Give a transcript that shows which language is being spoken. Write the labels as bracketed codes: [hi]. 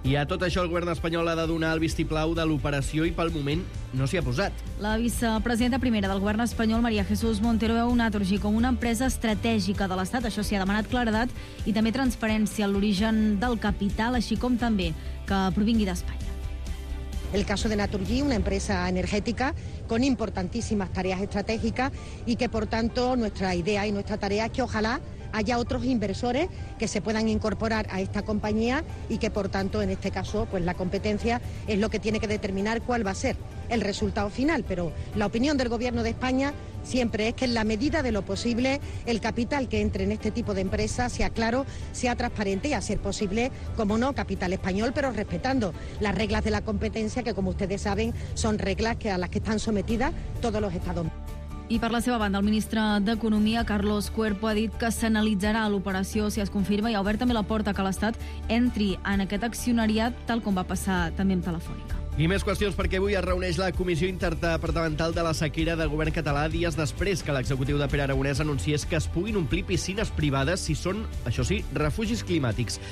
[ca] I a tot això, el govern espanyol ha de donar el vistiplau de l'operació i pel moment no s'hi ha posat. La vicepresidenta primera del govern espanyol, María Jesús Montero, veu Naturgy com una empresa estratègica de l'Estat. Això s'hi ha demanat claredat i també transparència en l'origen del capital, així com també que provingui d'Espanya. [es] El caso de Naturgy, una empresa energètica con importantísimas tareas estratégicas y que, por tanto, nuestra idea y nuestra tarea es que ojalá haya otros inversores que se puedan incorporar a esta compañía y que, por tanto, en este caso, pues la competencia es lo que tiene que determinar cuál va a ser el resultado final. Pero la opinión del Gobierno de España siempre es que, en la medida de lo posible, el capital que entre en este tipo de empresas sea claro, sea transparente y, a ser posible, como no, capital español, pero respetando las reglas de la competencia, que, como ustedes saben, son reglas a las que están sometidas todos los estados. [ca] I per la seva banda, el ministre d'Economia, Carlos Cuerpo, ha dit que s'analitzarà l'operació si es confirma i ha obert també la porta que l'Estat entri en aquest accionariat, tal com va passar també amb Telefònica. I més qüestions, perquè avui es reuneix la Comissió Interdepartamental de la Sequera del Govern Català dies després que l'executiu de Pere Aragonès anunciés que es puguin omplir piscines privades si són, això sí, refugis climàtics.